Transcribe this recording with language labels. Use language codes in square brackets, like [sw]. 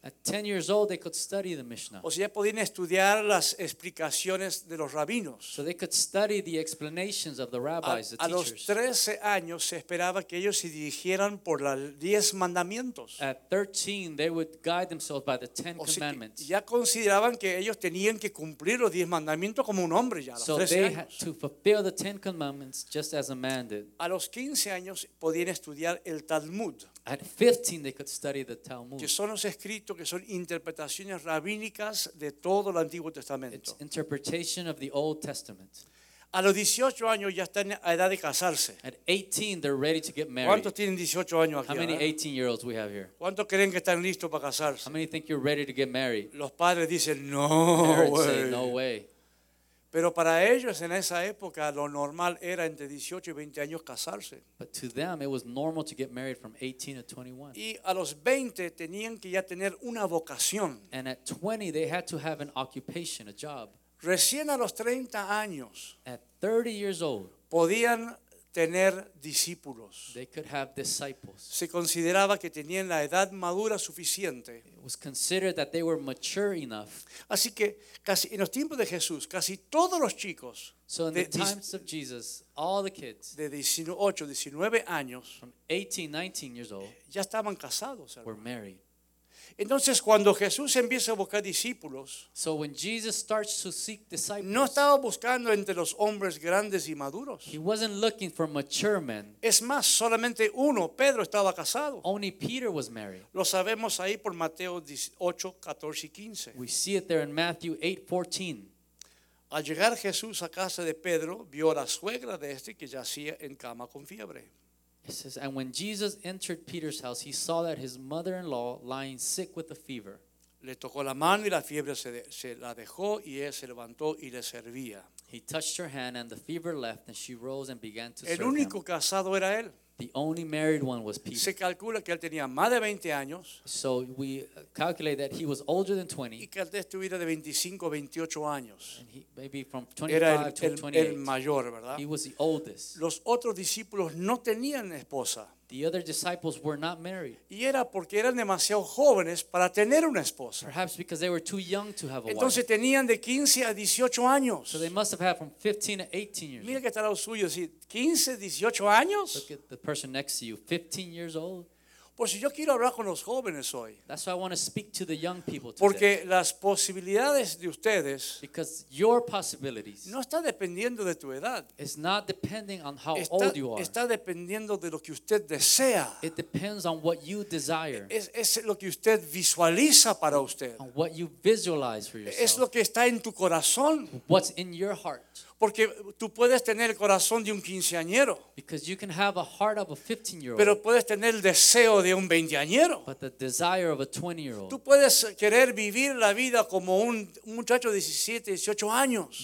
[en] At 10 years old they could study the Mishnah. [es] O sea, ya podían estudiar las explicaciones de los rabinos. [en] So they could study the explanations of the rabbis, the teachers. [es] A los 13 años se esperaba que ellos se dirigieran por los 10 mandamientos. [en] At 13 they would guide themselves by the 10 commandments. [es] Ya consideraban que ellos tenían que cumplir los 10 mandamientos como un hombre ya a los 13 años. [en] So they had to fulfill the 10 commandments just as a man. [es] A los 15 años podían estudiar el Talmud. [en] At 15 they could study the Talmud. [es] Que son los escritos que son interpretaciones rabínicas de todo el Antiguo Testamento. [en] It's interpretation of the Old Testament. [es] A los 18 años ya están a edad de casarse. [en] At 18 they're ready to get married. [es] ¿Cuántos tienen 18 años aquí? [en] How many 18-year-olds we have here? [es] ¿Cuántos creen que están listos para casarse? [en] How many think you're ready to get married? [es] Los padres dicen [en] no way. Say, no way. [es] Pero para ellos en esa época lo normal era entre 18 y 20 años casarse. [en] But to them it was normal to get married from 18 to 21. [es] Y a los 20 tenían que ya tener una vocación. [en] And at 20 they had to have an occupation, a job. [es] Recién a los 30 años. [en] At 30 years old. [es] Podían tener discípulos. [en] They could have disciples. [es] Se consideraba que tenían la edad madura suficiente. [en] It was considered that they were mature enough. [es] Así que casi en los tiempos de Jesús, casi todos los chicos. [en] So in the times of Jesus, all the kids. [es] De 18, 19 años. [en] From 18, 19 years old. [es] Ya estaban casados. [en] Were married. [es] Entonces cuando Jesús empieza a buscar discípulos, [en] so when Jesus starts to seek disciples, [es] no estaba buscando entre los hombres grandes y maduros. [en] He wasn't looking for mature men. [es] Es más, solamente uno, Pedro, estaba casado. [en] Only Peter was married. [es] Lo sabemos ahí por Mateo 8, 14 y 15. [en] We see it there in Matthew 8, 14. [es] Al llegar Jesús a casa de Pedro, vio a la suegra de este que yacía en cama con fiebre. [en] It says, and when Jesus entered Peter's house, he saw that his mother-in-law lying sick with a fever. [es] Le tocó la mano y la fiebre se la dejó y ella se levantó y le servía. [en] He touched her hand and the fever left and she rose and began to serve him. [es] El único casado era él. [en] The only married one was Peter. [es] Se calcula que él tenía más de 20 años. [en] So we calculate that he was older than 20. [es] Y que él estuviera de 25 a 28 años. [en] Maybe from 25 to 28. [es] El mayor, ¿verdad? [en] He was the oldest. [es] Los otros discípulos no tenían esposa. [en] The other disciples were not married. [es] Y era porque eran demasiado jóvenes para tener una esposa. [en] Perhaps because they were too young to have a [es] Entonces, Entonces tenían de 15 a 18 años. [en] So they must have had from 15 to 18 years. [es] Mira que está lo suyo, sí, 15, 18 años. [en] Look at the person next to you, 15 years old. [es] Pues si yo quiero hablar con los jóvenes hoy. [en] That's why I want to speak to the young people today. [es] Porque las posibilidades de ustedes. [en] Because your possibilities. [es] No está dependiendo de tu edad. [en] It's not depending on how old you are. [es] Está dependiendo de lo que usted desea. [en] It depends on what you desire. [es] Es lo que usted visualiza para usted. [en] On what you visualize for yourself. [es] Es lo que está en tu corazón. [en] What's in your heart. [es] Porque tú puedes tener el corazón de un quinceañero. [en] Because you can have a heart of a 15-year-old. [es] Pero puedes tener el deseo de un veinteañero. [en] But the desire of a 20-year-old. [es] Tú puedes querer vivir la vida como un muchacho de 17, 18 años.